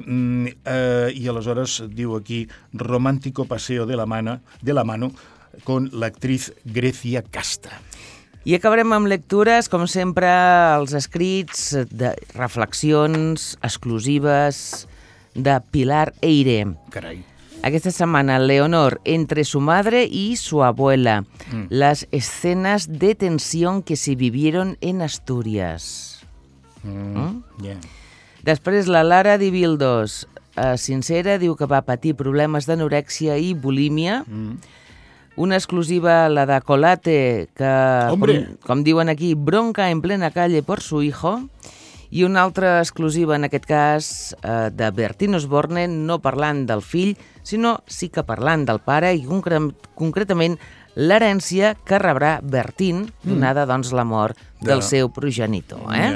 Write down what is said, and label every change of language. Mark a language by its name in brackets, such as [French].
[Catalan] I aleshores diu aquí [Spanish] romàntico paseo de la mano, con l'actriz Grecia Casta. [Catalan] I acabarem amb lectures, com sempre, els escrits de reflexions exclusives de Pilar Eire. Carai. Aquesta setmana, [Spanish] Leonor, entre su madre y su abuela. Las escenas de tensión que se vivieron en Asturias. [Catalan] Després, la Lara de Bildos, sincera, diu que va patir problemes d'anorèxia i bulímia. Una exclusiva, la de Colate, que, com diuen aquí, [Spanish] bronca en plena calle por su hijo. [Catalan] I una altra exclusiva, en aquest cas, de Bertín Osborne, no parlant del fill, sinó sí que parlant del pare i concretament l'herència que rebrà Bertín, donada doncs la mort del seu progenitor.